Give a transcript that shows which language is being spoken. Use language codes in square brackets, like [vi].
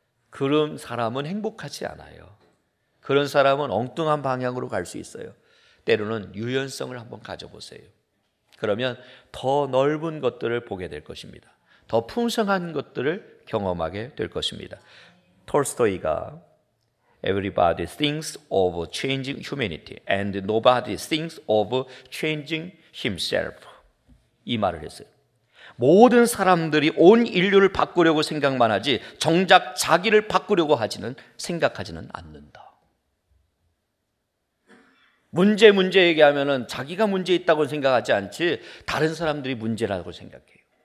[ko] 그런 사람은 행복하지 않아요. 그런 사람은 엉뚱한 방향으로 갈 수 있어요. 때로는 유연성을 한번 가져보세요. 그러면 더 넓은 것들을 보게 될 것입니다. 더 풍성한 것들을 경험하게 될 것입니다. [en] 톨스토이가 Everybody thinks of changing humanity and nobody thinks of changing himself. [ko] 이 말을 했어요. 모든 사람들이 온 인류를 바꾸려고 생각만 하지 정작 자기를 바꾸려고 하지는 생각하지는 않는다. 문제 얘기하면은 자기가 문제 있다고 생각하지 않지 다른 사람들이 문제라고 생각해요.